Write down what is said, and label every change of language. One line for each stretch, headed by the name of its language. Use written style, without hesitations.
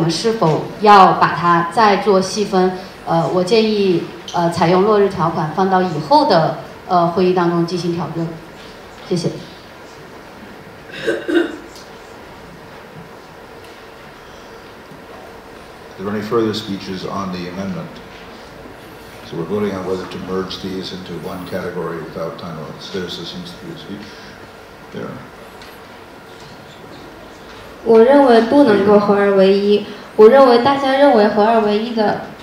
Chinese: 相对来说，刚才其实老师提到独立短片、独立长片也就都是独立电影。独立电影相对于其他的大众的商业性的电影，它本身是小众的，但我也认为它是应该受到重视的。在没有足够多的幻迷对其相非常了解的情况下，放在一起可以先让更多的幻迷看到这个群体。那么未来我们是否要把它再做细分？我建议采用落日条款放到以后的会议当中进行讨论，谢谢。
English: Are there any further speeches on the amendment? So we're voting on whether to merge these into one category without time limits. There seems to be a speech there.
Chinese: 我认为不能够合二为一，我认为大家认为合二为一的。